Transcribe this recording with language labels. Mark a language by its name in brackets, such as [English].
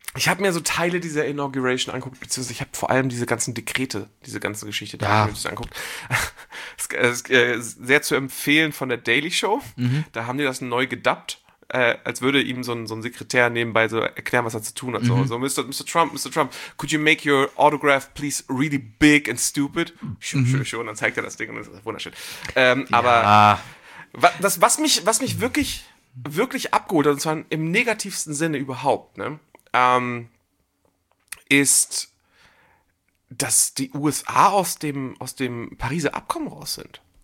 [German] Ich habe mir so Teile dieser Inauguration anguckt, beziehungsweise ich habe vor allem diese ganzen Dekrete, diese ganze Geschichte da anguckt. Das ist sehr zu empfehlen von der Daily Show. Mhm. Da haben die das neu gedubbt, als würde ihm so ein Sekretär nebenbei so erklären, was er zu tun hat. Mhm. [English] So, Mr. Trump, could you make your autograph please really big and stupid? [German] Schon, dann zeigt er das Ding und das ist wunderschön. Aber was mich wirklich, wirklich abgeholt hat, und zwar im negativsten Sinne überhaupt, ne? Ist, dass die USA aus dem Pariser Abkommen raus sind.